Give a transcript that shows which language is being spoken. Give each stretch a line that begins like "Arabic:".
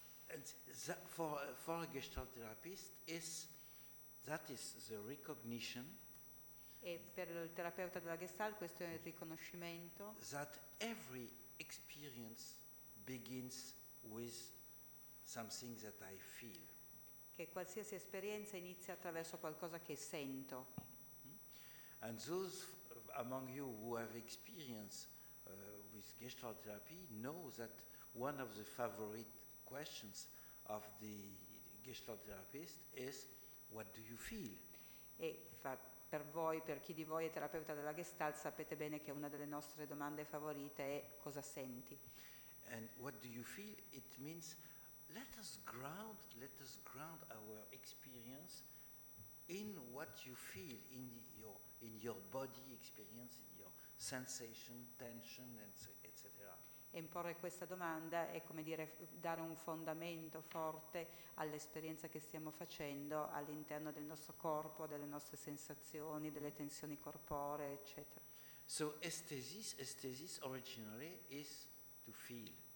English: And that for a Gestalt therapist is that is the recognition.
Italian: E per il terapeuta della Gestalt questo è il riconoscimento.
English: That every experience begins with something that I feel.
Italian: Che qualsiasi esperienza inizia attraverso qualcosa che sento.
English: And those among you who have experience with Gestalt therapy know that one of the favorite questions of the Gestalt therapist is what do you feel?
Italian: E per voi, per chi di voi è terapeuta della Gestalt, sapete bene che una delle nostre domande favorite è cosa senti.
English: And what do you feel? It means let us ground our experience in what you feel, in your body experience, in your sensation, tension, etc.
Italian: E imporre questa domanda è come dire dare un fondamento forte all'esperienza che stiamo facendo all'interno del nostro corpo, delle nostre sensazioni, delle tensioni corporee, eccetera.
English: So esthesis originally is to feel.